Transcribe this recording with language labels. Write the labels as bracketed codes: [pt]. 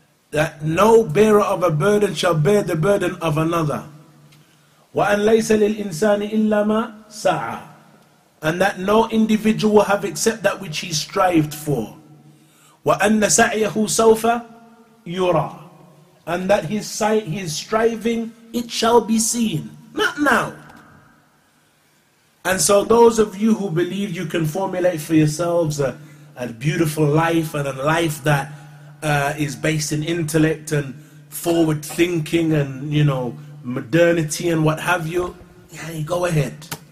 [en] That no bearer of a burden shall bear the burden of another. [ar] وأن ليس للإنسان إلا ما سعى. [en] And that no individual will have except that which he strived for. [ar] وأن سعيه سوف يرى. [en] And that his striving, it shall be seen. Not now. And so those of you who believe you can formulate for yourselves a beautiful life, and a life that is based in intellect and forward thinking and, you know, modernity and what have you, yeah, go ahead.